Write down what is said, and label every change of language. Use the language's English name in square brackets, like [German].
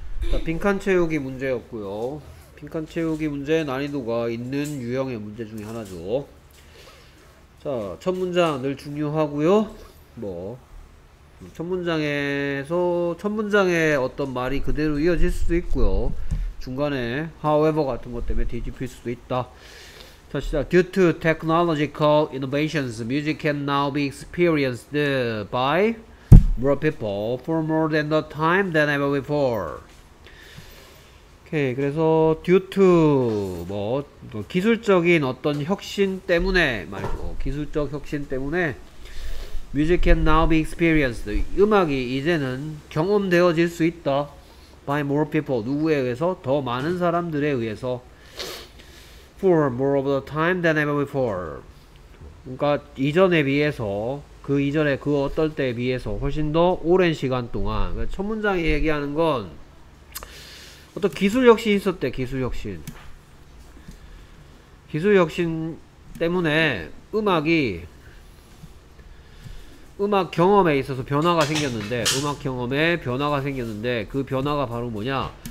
[Korean] 자, 빈칸 채우기 문제였고요. 빈칸 채우기 문제의 난이도가 있는 유형의 문제 중에 하나죠. 자, 첫 문장 늘 중요하고요. 뭐첫 문장에서 첫 문장에 어떤 말이 그대로 이어질 수도 있고요. 중간에 however 같은 것 때문에 뒤집힐 수도 있다. 자, 시작. [English] Due to technological innovations, music can now be experienced by more people for more than the time than ever before. [Korean] 오케이. 그래서 due to 뭐 기술적인 어떤 혁신 때문에 말이죠. 기술적 혁신 때문에 [English] music can now be experienced. [Korean] 음악이 이제는 경험되어질 수 있다. [English] By more people, [Korean] 누구에 의해서? 더 많은 사람들에 의해서. [English] For more of the time than ever before. [Korean] 그러니까 이전에 비해서, 그 이전에 그 어떤 때에 비해서 훨씬 더 오랜 시간 동안. 그러니까 첫 문장이 얘기하는 건 어떤 기술 혁신이 있었대. 기술 혁신. 기술 혁신 때문에 음악 경험에 있어서 변화가 생겼는데, 음악 경험에 변화가 생겼는데, 그 변화가 바로 뭐냐?